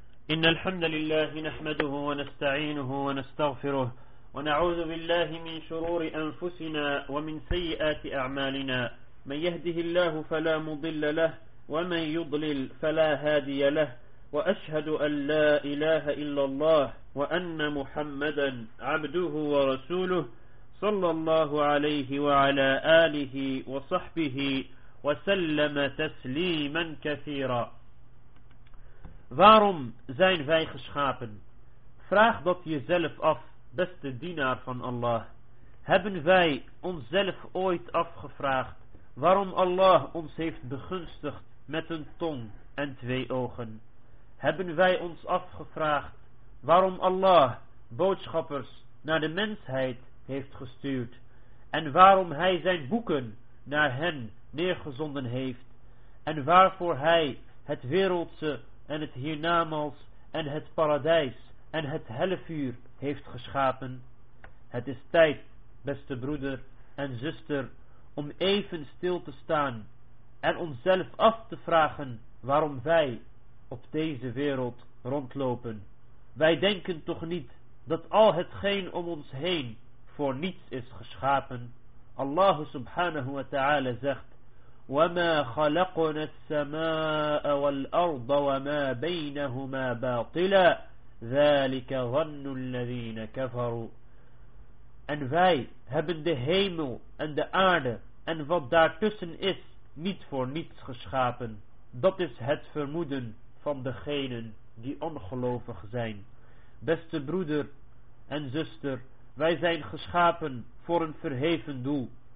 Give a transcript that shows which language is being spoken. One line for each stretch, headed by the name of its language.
Arabic: إن الحمد لله نحمده ونستعينه ونستغفره ونعوذ بالله من شرور أنفسنا ومن سيئات أعمالنا، من يهده الله فلا مضل له ومن يضلل فلا هادي له، وأشهد أن لا إله إلا الله وأن محمدا عبده ورسوله صلى الله عليه وعلى آله وصحبه وسلم تسليما كثيرا.
Dutch: Waarom zijn wij geschapen? Vraag dat jezelf af, beste dienaar van Allah. Hebben wij onszelf ooit afgevraagd waarom Allah ons heeft begunstigd met een tong en twee ogen? Hebben wij ons afgevraagd waarom Allah boodschappers naar de mensheid heeft gestuurd en waarom Hij zijn boeken naar hen neergezonden heeft en waarvoor Hij het wereldse en het hiernamaals en het paradijs en het hellevuur heeft geschapen? Het is tijd, beste broeder en zuster, om even stil te staan en onszelf af te vragen waarom wij op deze wereld rondlopen. Wij denken toch niet dat al hetgeen om ons heen voor niets is geschapen? Allah subhanahu wa ta'ala zegt:
Arabic: وَمَا خَلَقْنَا السَّمَاءَ وَالْأَرْضَ وَمَا بَيْنَهُمَا بَاطِلًا ذَلِكَ ظَنُّ الَّذِينَ كَفَرُوا.
Dutch: En wij hebben de hemel en de aarde en wat daartussen is niet voor niets geschapen. Dat is het vermoeden van degenen die ongelovig zijn. Beste broeder en zuster, wij zijn geschapen voor een verheven doel.